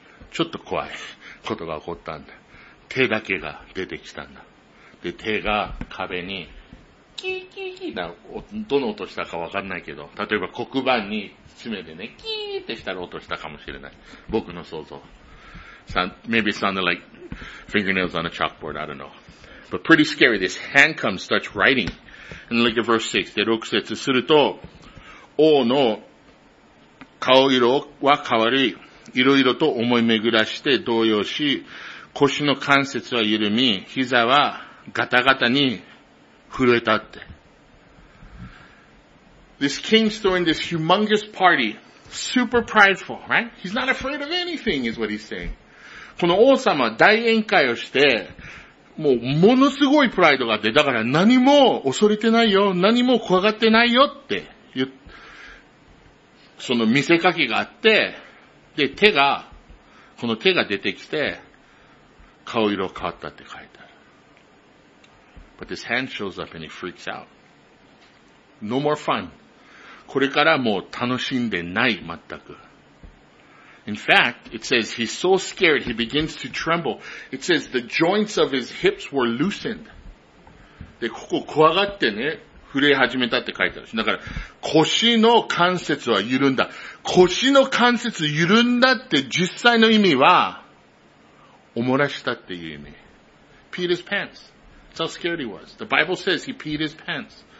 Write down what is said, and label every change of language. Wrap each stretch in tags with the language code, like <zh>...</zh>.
<ja>ちょっと怖いことが起こったんだ。手だけが出てきたんだ。で、手が壁にキーキーキーな、どの音したかわかんないけど、例えば黒板に爪でね、キーってしたら音したかもしれない。僕の想像。</ja> <en>Maybe it sounded like fingernails on a chalkboard, I don't know. But pretty scary, this hand comes, starts writing. And look at verse 6.</en> <ja>で、6節すると、王の顔色は変わり、いろいろと思い巡らして動揺し、腰の関節は緩み、膝はガタガタに震えたって。</ja> <en>This king's throwing this humongous party, super prideful, right? He's not afraid of anything, is what he's saying.</en> <ja>この王様は大宴会をして、もうものすごいプライドがあって、だから何も恐れてないよ、何も怖がってないよって言っ、その見せかけがあって、で手が、この手が出てきて、顔色変わったって書いてある。</ja> <en>But this hand shows up and he freaks out. No more fun.</en> <ja>これからもう楽しんでない、全く。</ja> <en>In fact, it says he's so scared he begins to tremble. It says the joints of his hips were loosened.</en> <ja>で、ここ怖がってね、震え始めたって書いてあるし。だから、腰の関節は緩んだ。腰の関節緩んだって実際の意味は、おもらしたっていう意味。</ja> <en>Peed his pants. That's how scared he was. The Bible says he peed his pants.</en>